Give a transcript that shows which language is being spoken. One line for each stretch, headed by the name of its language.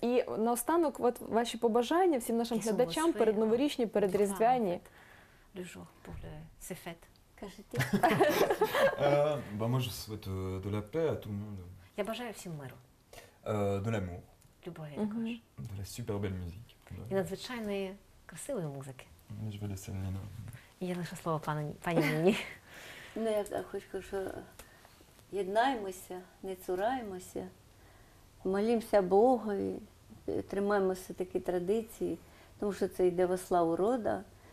Ukrainian: І наостанок от ваші побажання всім нашим глядачам перед новорічні, перед різдвяні.
French: Дуже pour ces fêtes. Bah moi je souhaite de la paix à tout le monde.
Ukrainian: Я бажаю всім миру.
French: De l'amour.
Ukrainian: Любові також.
French: De la super belle musique.
Ukrainian: І надзвичайної красивої музики.
French: Je vais laisser Nina.
Ukrainian: Я лише слово пані Ніні. Ну, я хочу сказати, що єднаємося, не цураємося, молімося Богові, тримаємося такі традиції, тому що це йде во славу рода.